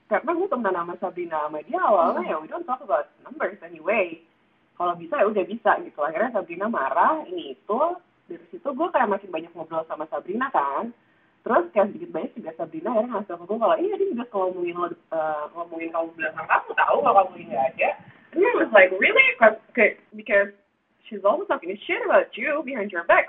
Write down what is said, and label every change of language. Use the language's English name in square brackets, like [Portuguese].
[Indonesian] Karena gue temenan sama Sabrina sama dia awalnya, ya [English] we don't talk about numbers anyway. [Indonesian] Kalau bisa ya udah bisa gitu. Akhirnya Sabrina marah, ini itu. Dari situ gue kayak makin banyak ngobrol sama Sabrina kan. Terus kayak sedikit banyak juga Sabrina akhirnya ngasih ke gue kalau iya dia juga kalau ngomongin kamu belakang kamu tahu kalau kamu ini aja. [English] And I was like, really? Because she's always talking shit about you behind your back.